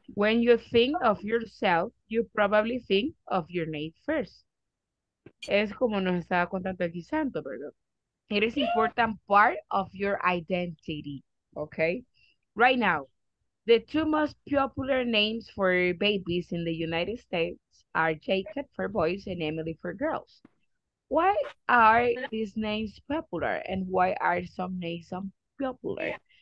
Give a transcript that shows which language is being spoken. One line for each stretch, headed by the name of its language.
English: When you think of yourself, you probably think of your name first.
Spanish: Es como nos estaba contando aquí Santo, ¿verdad?
English: It is important part of your identity, okay? Right now, the two most popular names for babies in the United States are Jacob for boys and Emily for girls. Why are these names popular, and why are some names unpopular?